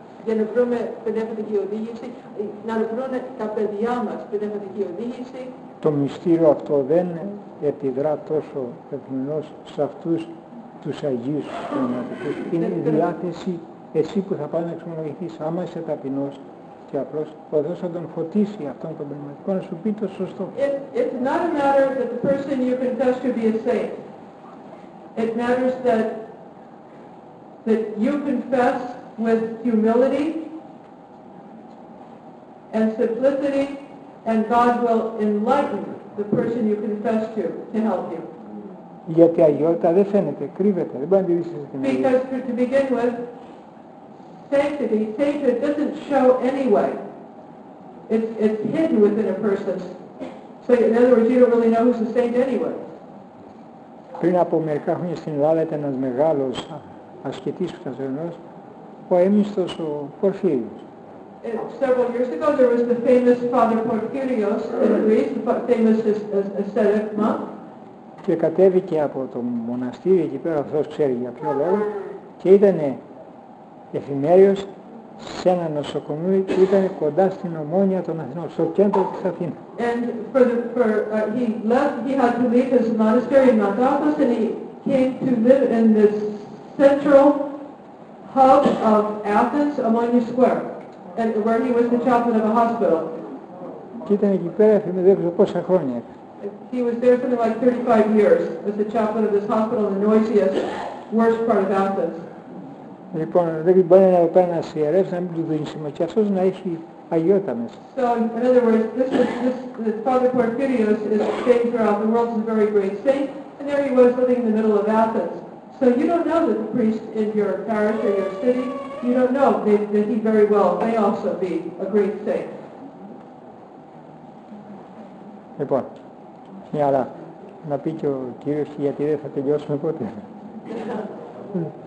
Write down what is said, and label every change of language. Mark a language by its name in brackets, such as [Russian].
[Greek] Για να βρούμε πνευματική οδήγηση, να βρουν τα παιδιά μας πνευματική οδήγηση. Το μυστήριο αυτό δεν επιδρά τόσο ευμενώς σε αυτούς τους Αγίους πνευματικούς. Είναι η διάθεση εσύ που θα πάει να εξομολογηθείς, άμα είσαι ταπεινός και απλώς ο Θεός θα τον φωτίσει αυτόν τον πνευματικό να σου πει το σωστό. [English] It's not a matter that the person you confess to be a saint. It matters that you confess with humility and simplicity and God will enlighten you. the person you confess to help you. [Greek] Γιατί αγιότητα δεν φαίνεται, κρύβεται, δεν μπορεί να τη δεις στην αγιότητα. [English] Because for, to begin with, sanctity, sacred doesn't show anyway. It's hidden within a person. So in other words, you don't really know who's the saint anyway. [Greek] Πριν από μερικά χρόνια στην Ελλάδα ήταν ένας μεγάλος ασκητής που ήταν ζωνός, ο αίμιστος ο Πορφύριος. [English] Several years ago there was the famous Father Porphyrios in Greece, the famous ascetic monk. [Greek] Και κατέβηκε από το μοναστήρι εκεί πέρα, αυτός ξέρει για ποιο λόγο, και ήταν εφημέριος σε ένα νοσοκομείο που ήταν κοντά στην Ομόνοια των Αθηνών, στο κέντρο της Αθήνας. [English] And for the, for, he left, he had to leave his monastery in Matathos and he came to live in this central hub of Athens, Ομόνοια Square, and where he was the chaplain of a hospital. [Greek] Και ήταν εκεί πέρα εφημερίδες πόσα χρόνια. [English] He was there for like 35 years as the chaplain of this hospital in the noisiest, worst part of Athens. [Greek] Λοιπόν, δεν μπορεί να πάει ένας ιερέας να μην του δίνει σημασία, αυτός να έχει αγιότητα μέσα. [English] So, in other words, this Father Porphyrios is famed throughout the world, is a very great saint, and there he was living in the middle of Athens. So you don't know that the priest in your parish or your city, you don't know that he very well may also be a great saint. [Greek] Λοιπόν. Ναι, αλλά να πει και ο Κύριος, γιατί δεν θα τελειώσουμε ποτέ.